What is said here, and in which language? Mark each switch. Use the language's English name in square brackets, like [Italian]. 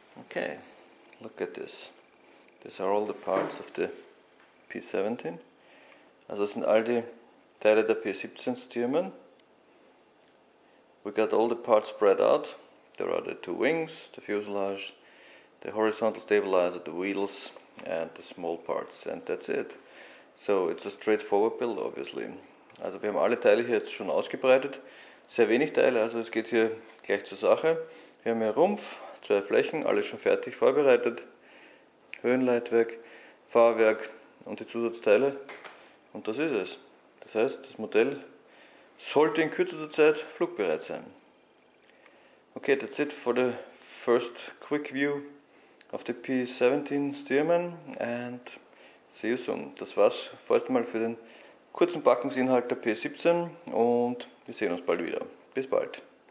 [English] Okay, look at this. These are all the parts of the P-17. [German] Also sind all die Teile der P-17 Stearman. [English] We got all the parts spread out. There are the two wings, the fuselage, the horizontal stabilizer, the wheels, and the small parts, and that's it. So it's a straightforward build, obviously. [German] Also wir haben alle Teile hier jetzt schon ausgebreitet. Sehr wenig Teile, also es geht hier gleich zur Sache. Wir haben hier Rumpf. Zwei Flächen, alles schon fertig vorbereitet, Höhenleitwerk, Fahrwerk und die Zusatzteile und das ist es. Das heißt, das Modell sollte in kürzester Zeit flugbereit sein. [English] Okay, that's it for the first quick view of the P-17 Stearman and see you soon. [German] Das war's vorerst mal für den kurzen Packungsinhalt der P-17 und wir sehen uns bald wieder. Bis bald.